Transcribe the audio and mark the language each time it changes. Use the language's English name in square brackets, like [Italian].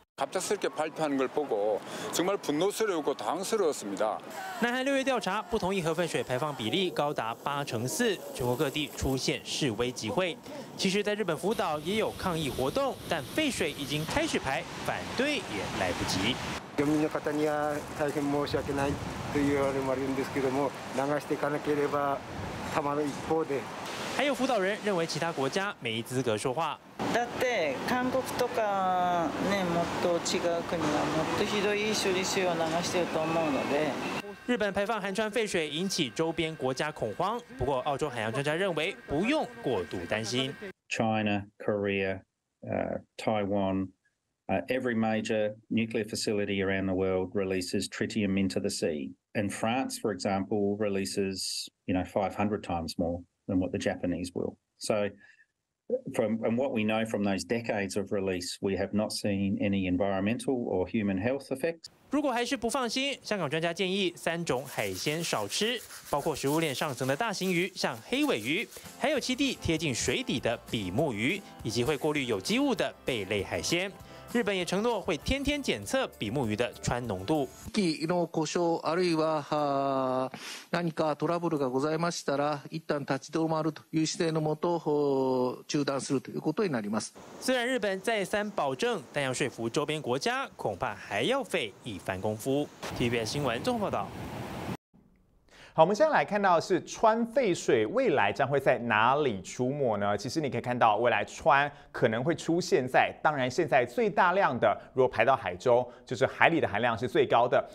[Korean] 갑작스럽게발표하는걸보고정말분노스러웠고당황스러웠습니다。 [Chinese] 南韩六月调查，不同意核废水排放比例高达84%，全国各地出现示威集会。其实，在日本福岛也有抗议活动，但废水已经开始排，反对也来不及。 [Japanese] 漁民の方には大変申し訳ないというあれもあるんですけども、流していかなければたまる一方で。 [Chinese] 还有福岛人认为其他国家没资格说话。 [Japanese] だって韓国とかね、もっと違う国はもっとひどい処理水を流してると思うので。 [Chinese] 日本排放韩川废水引起周边国家恐慌，不过澳洲海洋专家认为不用过度担心。 [English] China, Korea, Taiwan, every major nuclear facility around the world releases tritium into the sea, and France, for example, releases you know 500 times more than what the Japanese will. So. And what we know from those decades of release, we have not seen any environmental or human health effects. [Chinese] 如果还是不放心，香港专家建议三种海鲜少吃，包括食物链上层的大型鱼，像黑尾鱼，还有栖地贴近水底的比目鱼，以及会过滤有机物的贝类海鲜。日本也承诺会天天检测比目鱼的氚浓度。 [Japanese] 機の故障あるいは何かトラブルがございましたら、一旦立ち止まるという姿勢のもと中断するということになります。 [Chinese] 虽然日本再三保证，但要说服周边国家，恐怕还要费一番功夫。 TVBS 新闻综合报道。好，我们现在来看到的是氚废水未来将会在哪里出没呢？其实你可以看到，未来氚可能会出现在，当然现在最大量的，如果排到海中，就是海里的含量是最高的。